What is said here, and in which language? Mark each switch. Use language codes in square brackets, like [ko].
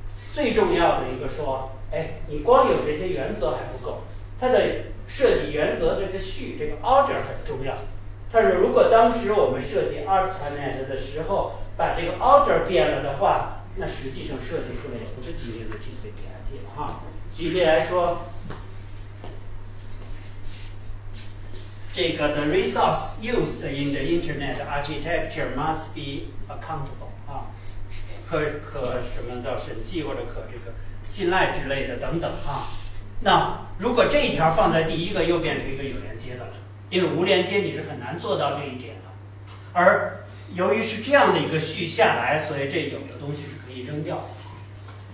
[zh] 最重要的一个说，哎，你光有这些原则还不够，他的设计原则这个序这个 order 很重要。但是如果当时我们设计 ARPANET 的时候把这个 order 变了的话，那实际上设计出来也不是今天的 TCP/IP 了哈。举例来说，这个 [en] the resource used in the internet architecture must be accountable 啊， [zh] 可什么叫审计或者可这个信赖之类的等等哈、啊。那如果这一条放在第一个，又变成一个有连接的了，因为无连接你是很难做到这一点的。而由于是这样的一个序下来，所以这有的东西是可以扔掉的。